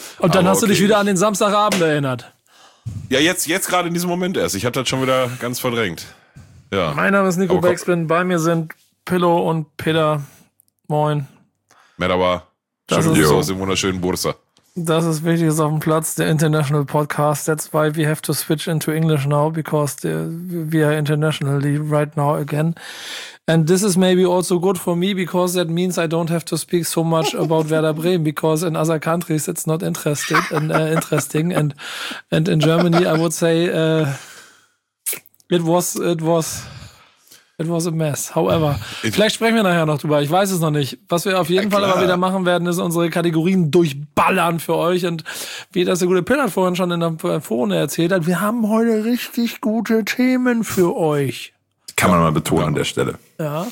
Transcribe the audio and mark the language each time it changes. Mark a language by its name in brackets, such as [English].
[German] Und dann hast du dich wieder an den Samstagabend erinnert. Ja, jetzt gerade in diesem Moment erst. Ich hatte das schon wieder ganz verdrängt. Ja. Mein Name ist Nico Beckspin. Bei mir sind Pillow und Peter. Moin. Merhaba. Aus dem wunderschönen Bursa. Das ist Wichtiges auf dem Platz, der International Podcast. [English] That's why we have to switch into English now, because we are internationally right now again. And this is maybe also good for me, because that means I don't have to speak so much about Werder Bremen, because in other countries it's not interesting. And in Germany I would say it was a mess. [German] However, vielleicht sprechen wir nachher noch drüber. Ich weiß es noch nicht. Was wir auf jeden Fall aber wieder machen werden, ist unsere Kategorien durchballern für euch. Und wie das der gute Pin hat vorhin schon in der Vorrunde erzählt hat, wir haben heute richtig gute Themen für euch. Kann man mal betonen an der Stelle. Ja.